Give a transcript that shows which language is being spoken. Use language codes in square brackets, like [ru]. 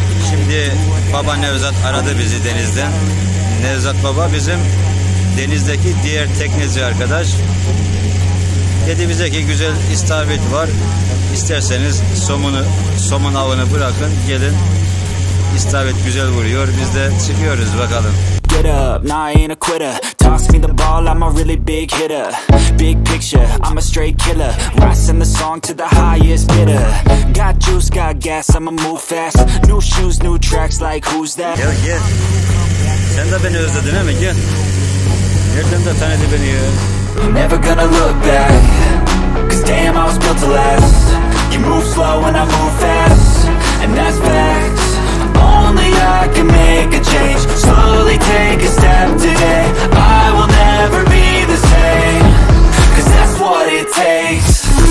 [tr] Şimdi baba Nevzat aradı bizi denizden. Nevzat baba bizim denizdeki diğer teknici arkadaş. Dedi bize ki güzel istavrit var. İsterseniz somun avını bırakın gelin. İstavrit güzel vuruyor. Biz de çıkıyoruz bakalım. [en] Get up, nah, I ain't a quitter. Toss me the ball, I'm a really big hitter. Big picture, I'm a straight killer. Rising the song to the highest bidder. Got juice, got gas, I'ma move fast. New shoes, new tracks, like who's that? [tr] Gel gel. Sen de beni özledin değil mi? Gel. Nereden de tanıdı beni ya? [en] Never gonna look back. Cause damn, I was built to last. You move slow and I move fast. And that's facts. Only I can make a change. Slowly take a step today. I will never be the same. Cause that's what it takes.